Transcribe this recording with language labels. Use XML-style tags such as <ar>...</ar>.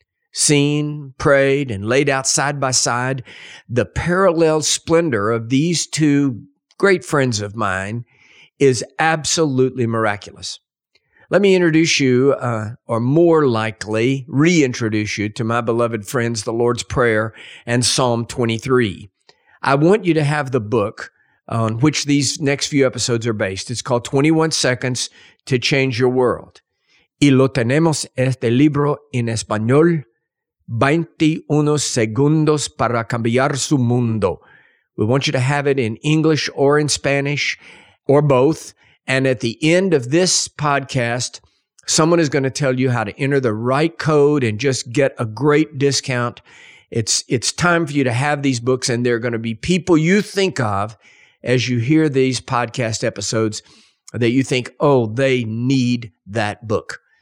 <en>Seen, prayed, and laid out side by side, the parallel splendor of these two great friends of mine is absolutely miraculous. Let me introduce you, or more likely, reintroduce you to my beloved friends, the Lord's Prayer and Psalm 23. I want you to have the book on which these next few episodes are based. It's called 21 Seconds to Change Your World.</en> <es>Y lo tenemos este libro en español, 21 segundos para cambiar su mundo.</es> <en>We want you to have it in English or in Spanish or both. And at the end of this podcast, someone is going to tell you how to enter the right code and just get a great discount. It's time for you to have these books, and there are going to be people you think of as you hear these podcast episodes that you think, oh, they need that book.</en>